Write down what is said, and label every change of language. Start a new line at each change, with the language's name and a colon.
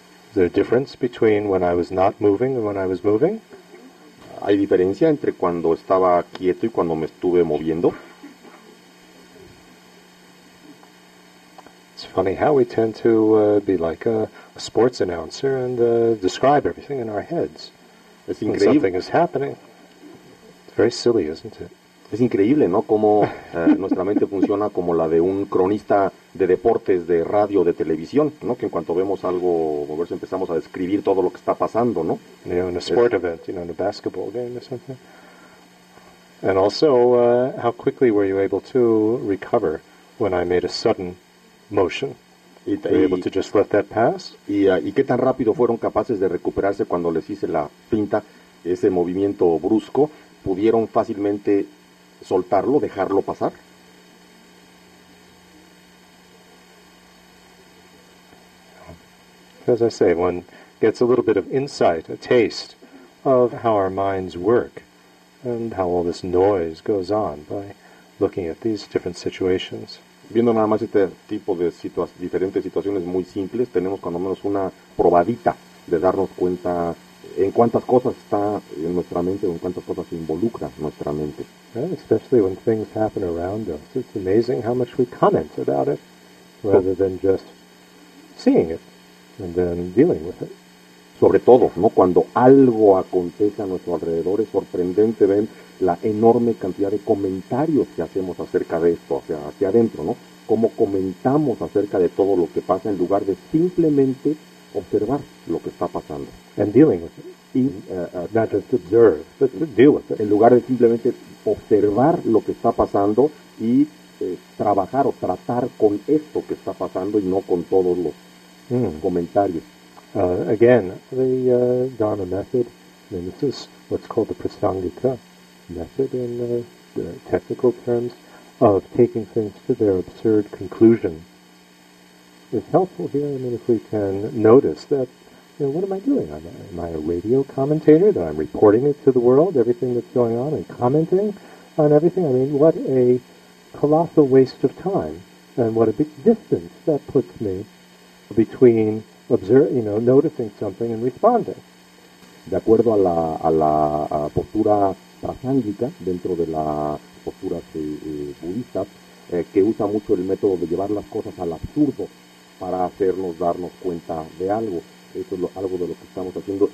English: Is there a difference between when I was not moving and when I was moving?
Spanish: ¿Hay diferencia entre cuando estaba quieto y cuando me estuve moviendo?
English: It's funny how we tend to be like a sports announcer and describe everything in our heads.
Spanish: Es increíble.
English: When something is happening. It's very silly, isn't it?
Spanish: Es increíble, ¿no?, cómo nuestra mente funciona como la de un cronista de deportes, de radio, de televisión, ¿no?, que en cuanto vemos algo, a ver si empezamos a describir todo lo que está pasando, ¿no?
English: You know, in a sport event, you know, in a basketball game or something. And also, how quickly were you able to recover when I made a sudden motion? Were you able to just let that pass?
Spanish: Y qué tan rápido fueron capaces de recuperarse cuando les hice la pinta, ese movimiento brusco, pudieron fácilmente soltarlo, dejarlo pasar.
English: As I say, one gets a little bit of insight, a taste of how our minds work and how all this noise goes on by looking at these different situations.
Spanish: Viendo nada más este tipo de diferentes situaciones muy simples, tenemos cuando menos una probadita de darnos cuenta en cuántas cosas está en nuestra mente o en cuántas cosas involucra nuestra mente.
English: Especially when things happen around us, it's amazing how much we comment about it rather than just seeing it and then dealing with it.
Spanish: sobre todo, ¿no? Cuando algo acontece a nuestro alrededor, es sorprendente ver la enorme cantidad de comentarios que hacemos acerca de esto, o sea, hacia adentro, ¿no? Cómo comentamos acerca de todo lo que pasa en lugar de simplemente observar lo que está pasando.
English: And dealing with it.
Spanish: Y
English: not just observe, but to deal with it.
Spanish: En lugar de simplemente observar lo que está pasando y trabajar o tratar con esto que está pasando y no con todos los comentarios.
English: Again, the Dharma method, I mean, this is what's called the Prasangika method in the technical terms, of taking things to their absurd conclusion, is helpful here. I mean, if we can notice that, you know, what am I doing? Am I a radio commentator that I'm reporting it to the world, everything that's going on, and commenting on everything? I mean, what a colossal waste of time, and what a big distance that puts me between observe, you know, noticing something and responding.
Spanish: De acuerdo a la postura prasángica, dentro de las posturas budistas, que usa mucho el método de llevar las cosas al absurdo para hacernos darnos cuenta de algo. Esto es algo de lo que estamos haciendo.